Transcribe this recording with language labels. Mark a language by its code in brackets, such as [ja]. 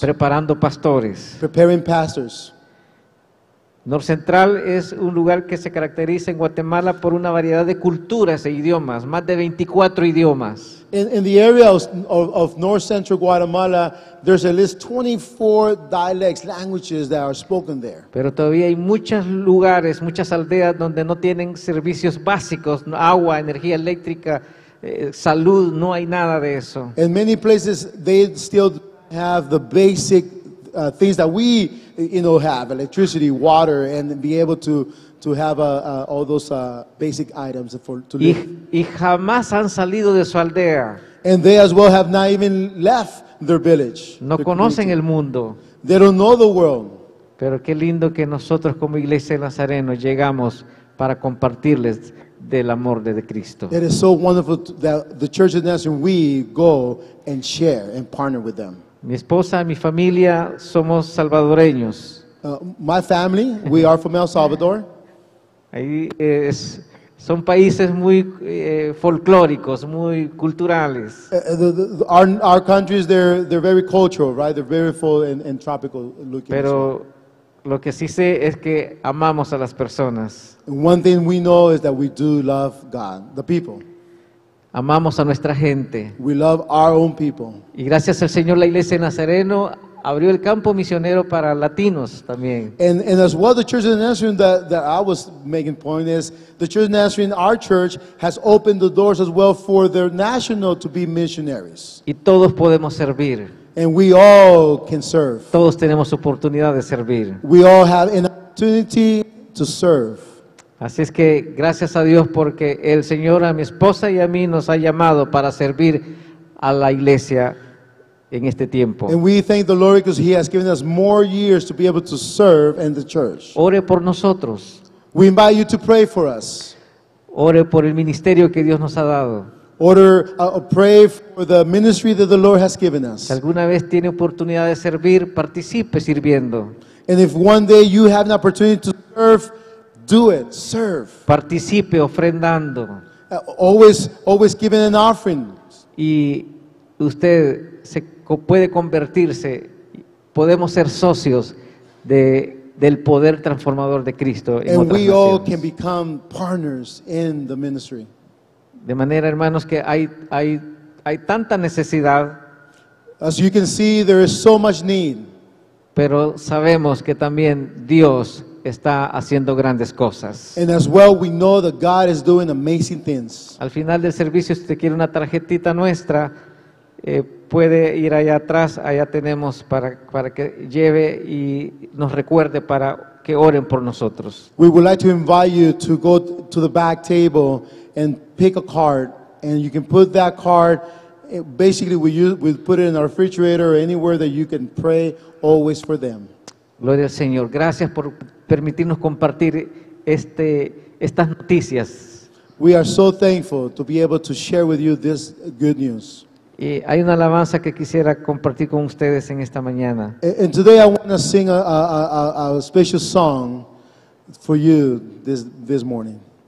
[es] Preparando pastores. [en] Preparing pastors. [es] North Central es un lugar que se caracteriza en Guatemala por una variedad de culturas e idiomas, más de 24 idiomas. [en] In the area of North Central Guatemala, there's at least 24 dialects, languages that are spoken there. [es] Pero todavía hay muchos lugares, muchas aldeas donde no tienen servicios básicos, agua, energía eléctrica, salud, no hay nada de eso. [en] In many places, they still have the basic things that we, you know, have electricity, water, and be able to have all those basic items for to live. [es] Y jamás han salido de su aldea. [en] And they as well have not even left their village. [es] No conocen el mundo. [en] They don't know the world. [es] Pero qué lindo que nosotros como Iglesia de Nazareno llegamos para compartirles del amor de Cristo. [en] It is so wonderful that the Church of Nazareth, we go and share and partner with them. [es] Mi esposa, mi familia, somos salvadoreños. [en] My family, we are from El Salvador. [es] Ahí es, son países muy folclóricos, muy culturales. [en] Our countries, they're very cultural, right? They're very full and tropical looking. [es] Pero lo que sí sé es que amamos a las personas. [en] One thing we know is that we do love God, the people. [es] Amamos a nuestra gente. [en] We love our own people. [es] Y gracias al Señor, la Iglesia de Nazareno abrió el campo misionero para latinos también. [en] And as well, the Church of Nazarene that I was making point is, the Church of Nazarene, our church, has opened the doors as well for their national to be missionaries. [es] Y todos podemos servir. [en] And we all can serve. [es] Todos tenemos oportunidad de servir. [en] We all have an opportunity to serve. [es] Así es que gracias a Dios porque el Señor a mi esposa y a mí nos ha llamado para servir a la iglesia en este tiempo. [en] And we thank the Lord because He has given us more years to be able to serve in the church. [es] Ore por nosotros. [en] We invite you to pray for us. [es] Ore por el ministerio que Dios nos ha dado. [en] Pray for the ministry that the Lord has given us. [es] Si alguna vez tiene oportunidad de servir, participe sirviendo. [en] And if one day you have an opportunity to serve, do it, serve. [es] Participe ofrendando. [en] Always giving an offering. [es] Y usted se puede convertirse, podemos ser socios del poder transformador de Cristo en otras naciones. [en] we all can become partners in the ministry. [es] De manera, hermanos, que hay tanta necesidad. [en] As you can see, there is so much need. [es] Pero sabemos que también Dios está haciendo grandes cosas. [en] And as well, we know that God is doing amazing things. [es] Al final del servicio, si usted quiere una tarjetita nuestra, puede ir allá atrás, allá tenemos para que lleve y nos recuerde para que oren por nosotros. [en] We would like to invite you to go to the back table and pick a card, and you can put that card. Basically, we put it in our refrigerator or anywhere that you can pray always for them. [es] Gloria al Señor. Gracias por permitirnos compartir estas noticias. [en] We are so thankful to be able to share with you this good news. [es] Y hay una alabanza que quisiera compartir con ustedes en esta mañana. [en] And today I want to sing a special song for you this morning.